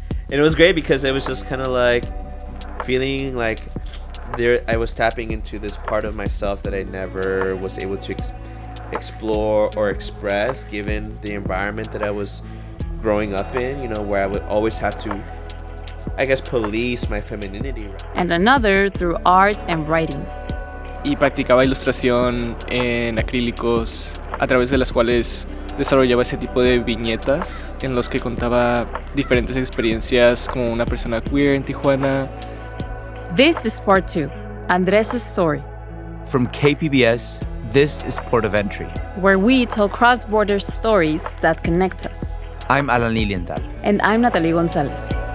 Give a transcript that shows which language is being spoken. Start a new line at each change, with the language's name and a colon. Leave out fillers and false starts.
English: And it was great because it was just kind of like feeling like there I was tapping into this part of myself that I never was able to explore or express, given the environment that I was growing up in, you know, where I would always have to, I guess, police my femininity. And another through art and writing.
Spanish: Y practicaba ilustración en acrílicos a través de las cuales desarrollaba ese tipo de viñetas en los que contaba diferentes experiencias como una persona queer en Tijuana.
English: This is part two, Andrés' story. From KPBS, this is Port of Entry, where we tell cross-border stories that connect us. I'm Alan Lilienthal. And I'm Natalie Gonzalez.